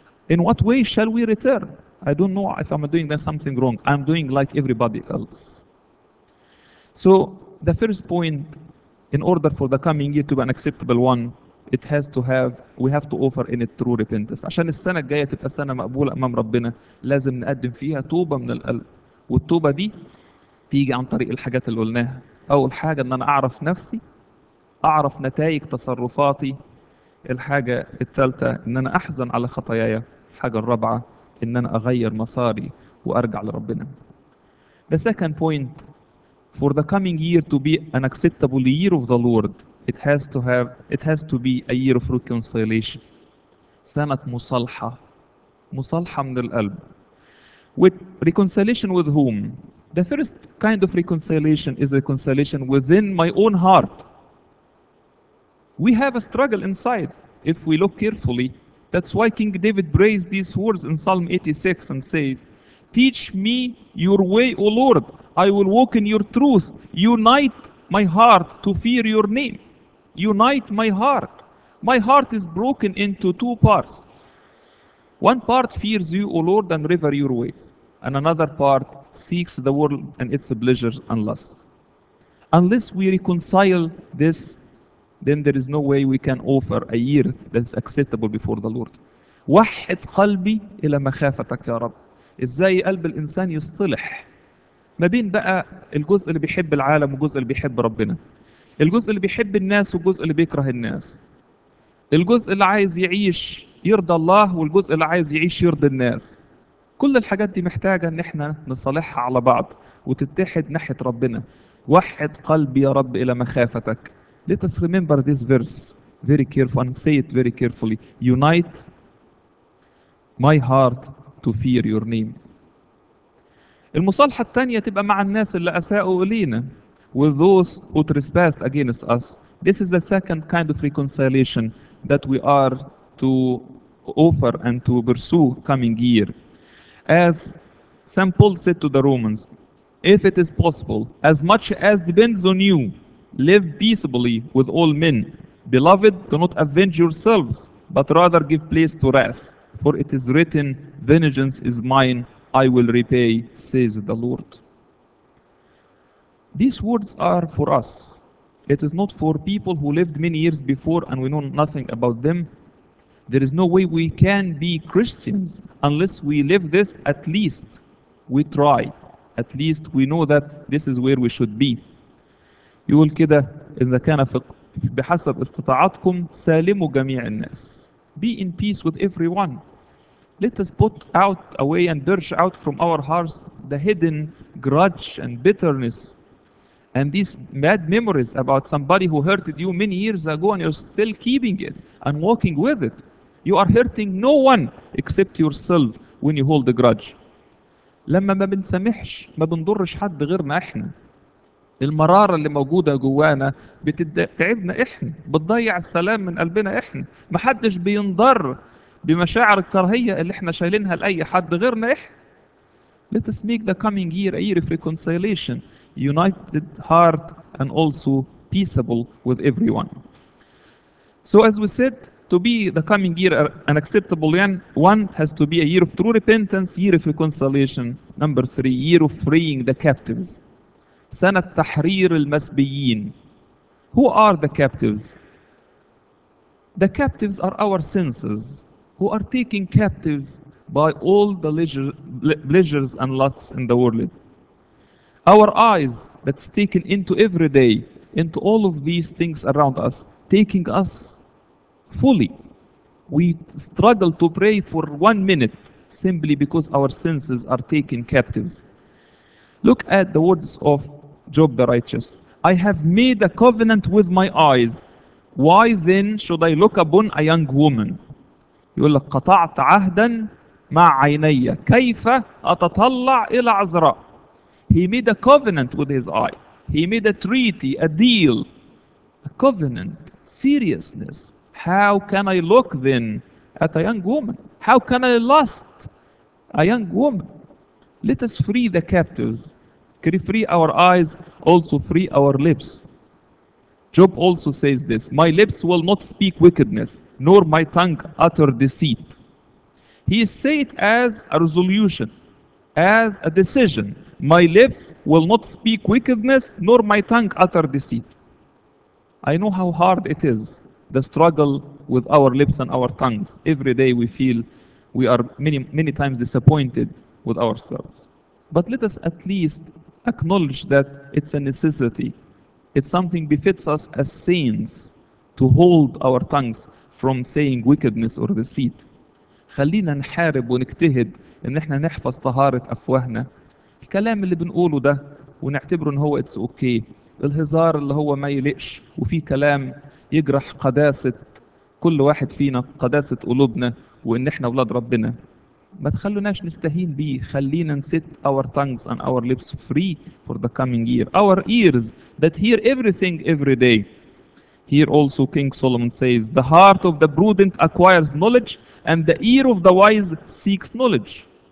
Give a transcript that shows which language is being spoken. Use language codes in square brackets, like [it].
[en] In what way shall we return? I don't know if I'm doing something wrong. I'm doing like everybody else. So the first point, in order for the coming year to be an acceptable one, it has to have, we have to offer in it true repentance. [ar] عشان السنة الجاية تبقى سنة مقبولة أمام ربنا لازم نقدم فيها توبة من القلب. والتوبة دي تيجي عن طريق الحاجات اللي قلناها. أول حاجة أن أنا أعرف نفسي، أعرف نتائج تصرفاتي. الحاجة الثالثة أن أنا أحزن على خطاياي. الحاجة الرابعة أن أنا أغير مساري وأرجع لربنا. [en] The second point, for the coming year to be an acceptable year of the Lord, it has to be a year of reconciliation. [ar] سنة مصالحة، مصالحة من القلب. [en] With reconciliation with whom? The first kind of reconciliation is reconciliation within my own heart. We have a struggle inside, if we look carefully. That's why King David prays these words in Psalm 86 and says, teach me your way, O Lord. I will walk in your truth. Unite my heart to fear your name. Unite my heart. My heart is broken into two parts. One part fears you, O Lord, and rever your ways. And another part seeks the world and its pleasures and lusts. Unless we reconcile this, then there is no way we can offer a year that's acceptable before the Lord. [ar] وحد قلبي إلى مخافتك يا رب. إزاي قلب الإنسان يصطلح ما بين بقى الجزء اللي بيحب العالم والجزء اللي بيحب ربنا، الجزء اللي بيحب الناس والجزء اللي بيكره الناس، الجزء اللي عايز يعيش يرضى الله والجزء اللي عايز يعيش يرضي الناس. كل الحاجات دي محتاجة ان احنا نصالحها على بعض وتتحد ناحية ربنا. وحد قلبي يا رب الى مخافتك. [en] Let us remember this verse very carefully and say it very carefully. Unite my heart to fear your name. [ar] المصالحة التانية تبقى مع الناس اللي اساءوا الينا. [en] With those who trespassed against us. This is the second kind of reconciliation that we are to offer and to pursue coming year. As St. Paul said to the Romans, if it is possible, as much as depends on you, live peaceably with all men. Beloved, do not avenge yourselves, but rather give place to wrath. For it is written, vengeance is mine, I will repay, says the Lord. These words are for us. It is not for people who lived many years before and we know nothing about them. There is no way we can be Christians unless we live this, at least we try. At least we know that this is where we should be. [ar] يقول كده إذا كان بحسب استطاعتكم سالموا جميع الناس. [en] Be in peace with everyone. Let us put out away and purge out from our hearts the hidden grudge and bitterness and these bad memories about somebody who hurted you many years ago and you're still keeping it and walking with it. You are hurting no one except yourself when you hold the grudge. [ar] لما ما بنسامحش ما بنضرش حد غيرنا احنا. المرارة اللي موجودة جوانا بتتعبنا احنا، بتضيع السلام من قلبنا احنا. ما حدش بينضر بمشاعر الكراهية اللي احنا شايلينها لأي حد غيرنا احنا. [en] Let us make the coming year a year of reconciliation, united heart and also peaceable with everyone. So as we said, to be the coming year an acceptable year, one has to be a year of true repentance, year of reconciliation. Number three, year of freeing the captives. [ar] سَنَ التَّحْرِيرِ الْمَسْبِيِّينَ [en] Who are the captives? The captives are our senses, who are taken captives by all the pleasures and lusts in the world. Our eyes, that's taken into every day, into all of these things around us, taking us fully. We struggle to pray for 1 minute simply because our senses are taken captives. Look at the words of Job the righteous. I have made a covenant with my eyes. Why then should I look upon a young woman? [ar] يقول لك قطعت عهدا مع عيني كيف أتطلع إلى عذراء. [en] He made a covenant with his eye. He made a treaty, a deal, a covenant, seriousness. How can I look then at a young woman? How can I lust a young woman? Let us free the captives. Can we free our eyes? Also free our lips. Job also says this, my lips will not speak wickedness, nor my tongue utter deceit. He says it as a resolution, as a decision. My lips will not speak wickedness, nor my tongue utter deceit. I know how hard it is, the struggle with our lips and our tongues. Every day we feel we are many, many times disappointed with ourselves. But let us at least acknowledge that it's a necessity. It's something befits us as saints to hold our tongues from saying wickedness or deceit. [ar] خلينا نحارب ونجتهد ان احنا نحفظ طهارة افواهنا. الكلام اللي بنقوله ده ونعتبره ان هو [en] it's okay. [ar] الهزار اللي هو ما يلقش وفي كلام يجرح قداسة كل واحد فينا قداسة قلوبنا وان احنا اولاد ربنا. ما تخلوناش نستهين به. خلينا نسيت [en] our tongues and our lips free for the coming year. Our ears that hear everything every day. Here also King Solomon says, the heart of the prudent acquires knowledge and the ear of the wise seeks knowledge.